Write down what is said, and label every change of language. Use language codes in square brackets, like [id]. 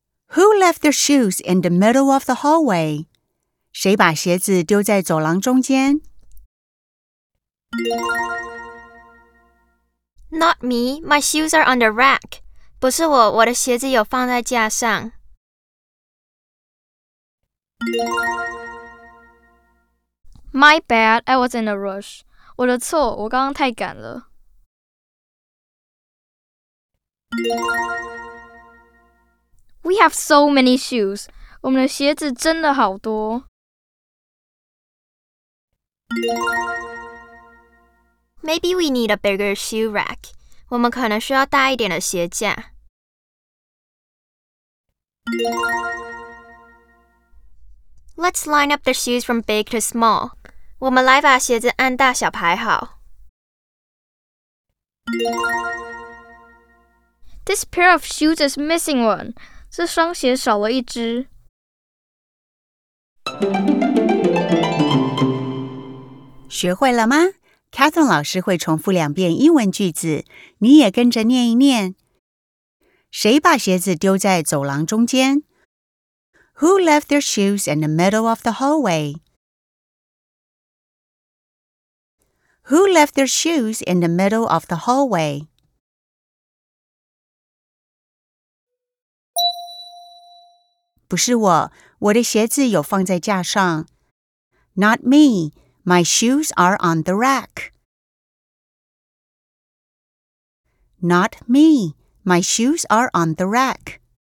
[en] Who left their shoes in the middle of the hallway? [zh] 谁把鞋子丢在走廊中间？ [en] Not me. My shoes are on the rack. [zh] 不是我，我的鞋子有放在架上。 [en] My bad. I was in a rush. [zh] 我的错，我刚刚太赶了。 [en] We have so many shoes. [zh] 我们的鞋子真的好多。 [en] Maybe we need a bigger shoe rack. [zh] 我们可能需要大一点的鞋架。 [en] Let's line up the shoes from big to small. [zh] 我们来把鞋子按大小排好。 [en] This pair of shoes is missing one. [zh] 这双鞋少了一只。学会了吗？Catherine 老师会重复两遍英文句子，你也跟着念一念。谁把鞋子丢在走廊中间？ [en] Who left their shoes in the middle of the hallway? Who left their shoes in the middle of the hallway? [zh] 不是我，我的鞋子有放在架上。 [en] Not me, my shoes are on the rack. Not me, my shoes are on the rack.